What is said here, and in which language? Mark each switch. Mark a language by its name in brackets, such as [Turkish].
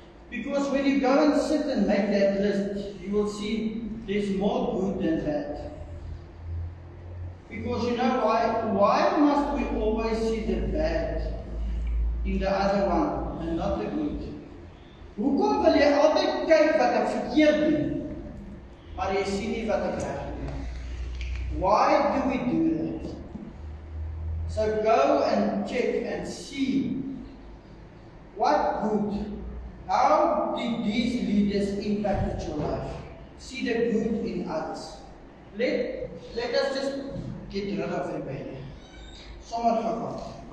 [English] Because when you go and sit and make that list, you will see there's more good than bad. Because you know why? Why must we always see the bad in the other one and not the good? [Afrikaans] Hoekom wil jy altyd kyk wat ek verkeerd doen, maar jy sien nie wat ek reg doen? [English] Why do we do that? So go and check and see what good, how did these leaders impact your life? See the good in others. Let us just get rid of rebellion. [Afrikaans] Sommer van God.